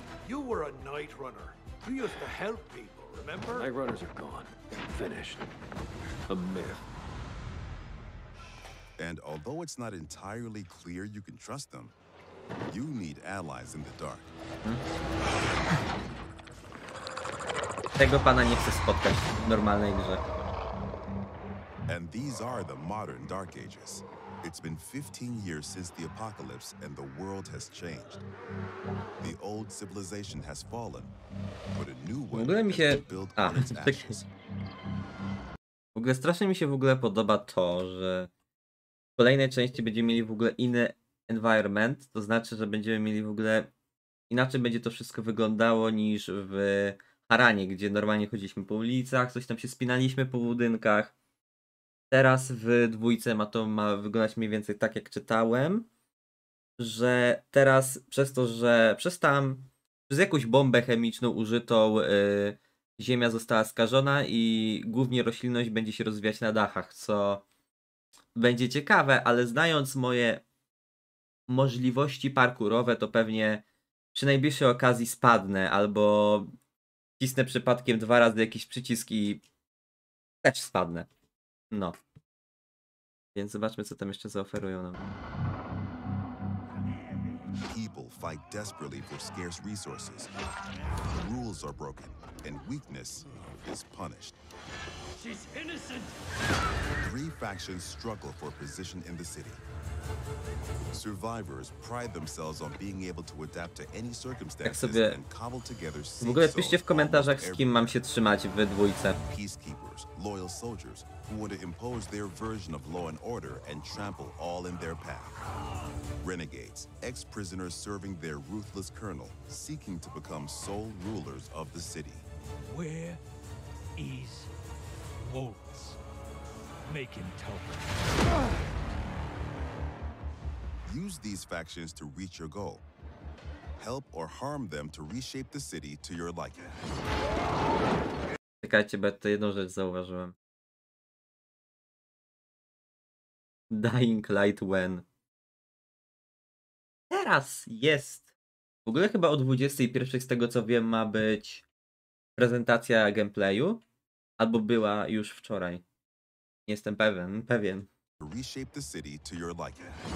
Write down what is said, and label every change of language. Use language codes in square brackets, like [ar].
[en] You were a Night Runner. You used to help people, remember? Night Runners are gone. Finished. A myth. And although it's not entirely clear you can trust them, you need allies in the dark. [pl] Tego pana nie chcę spotkać w normalnej grze. [en] And these are the modern Dark Ages. It's been 15 years since the apocalypse and the world has changed. The old civilization has fallen, but a new one has been built on its ashes. [pl] W ogóle strasznie mi się w ogóle podoba to, że w kolejnej części będziemy mieli w ogóle inny environment, to znaczy, że będziemy mieli w ogóle inaczej będzie to wszystko wyglądało niż w Haranie, gdzie normalnie chodziliśmy po ulicach, coś tam się spinaliśmy po budynkach. Teraz w dwójce ma to ma wyglądać mniej więcej tak, jak czytałem, że teraz przez to, że przez jakąś bombę chemiczną użytą ziemia została skażona i głównie roślinność będzie się rozwijać na dachach, co będzie ciekawe, ale znając moje możliwości parkurowe, to pewnie przy najbliższej okazji spadnę, albo wcisnę przypadkiem dwa razy jakiś przycisk i też spadnę. No. Więc zobaczmy, co tam jeszcze zaoferują nam. [en] People fight desperately for scarce resources. Rules are broken, and weakness is punished. She's innocent! Three factions struggle for position in the city. Survivors pride themselves on being able to adapt to any circumstances and cobble together safe zones. [pl] W ogóle piszcie w komentarzach, z kim mam się trzymać w dwójce. [en] Peacekeepers, loyal soldiers, who want to impose their version of law and order and trample all in their path. Renegades, ex-prisoners serving their ruthless colonel, seeking to become sole rulers of the city. Where is Waltz? Make him talk. Use these factions to reach your goal. Help or harm them to reshape the city to your liking. [pl] Czekajcie, bo to jedną rzecz zauważyłem. [en] Dying Light when? [pl] Teraz jest. W ogóle chyba o 21 z tego co wiem ma być prezentacja gameplayu. Albo była już wczoraj. Nie jestem pewien. [en] Reshape the city to your liking.